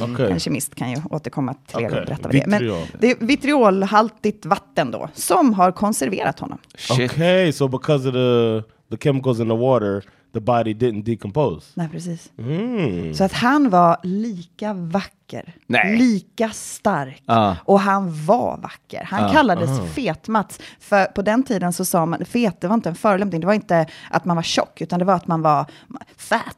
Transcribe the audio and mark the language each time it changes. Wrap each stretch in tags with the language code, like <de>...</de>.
<sv>Okay. En kemist kan ju återkomma till er och berätta vad det är. Men det är vitriolhaltigt vatten då, som har konserverat honom.</sv> <en>Shit. Okay, so because of the chemicals in the water, the body didn't decompose.</en> <sv>Nej, precis. Mm. Så att han var lika vacker. Nej. Lika stark. Och han var vacker. Han kallades Fet-Mats. För på den tiden så sa man, fet, det var inte en förolämpning. Det var inte att man var tjock, utan det var att man var fat.</sv>